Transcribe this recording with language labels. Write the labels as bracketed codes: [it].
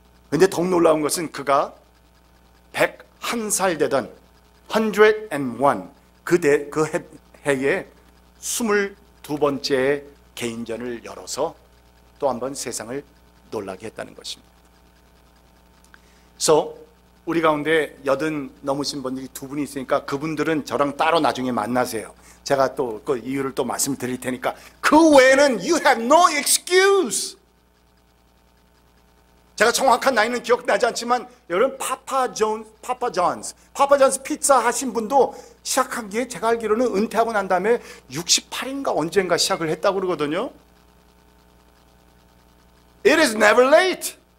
[ko] 근데 더욱 놀라운 것은 그가 101살 되던 101 그 해에 두 번째 개인전을 열어서 또 한번 세상을 놀라게 했다는 것입니다. So, 우리 가운데 80 넘으신 분들이 두 분이 있으니까 그분들은 저랑 따로 나중에 만나세요. 제가 또 그 이유를 또 말씀드릴 테니까. 그 외에는 [en] you have no excuse. [ko] 제가 정확한 나이는 기억나지 않지만 여러분 파파 존스 피자 하신 분도 시작한 게 제가 알기로는 은퇴하고 난 다음에 68인가 언젠가 시작을 했다고 그러거든요. [en] It is never late.